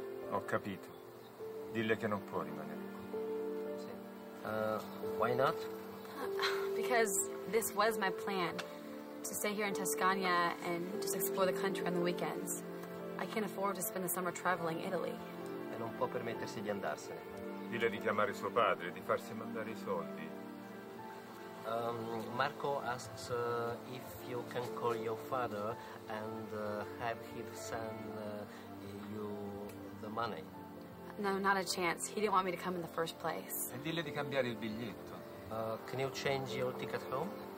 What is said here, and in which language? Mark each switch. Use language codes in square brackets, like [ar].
[it] Ho capito. Dille che non può rimanere qui. [en] Why not? Because this was my plan. To stay here in Tuscania and just explore the country on the weekends. I can't afford to spend the summer traveling Italy. [it] E non può permettersi di andarsene. Dille di chiamare suo padre, di farsi mandare i soldi. [en] Marco asks if you can call your father and have him send you the money. No, not a chance. He didn't want me to come in the first place. [it] E dille di cambiare il biglietto. [en] Can you change your ticket home?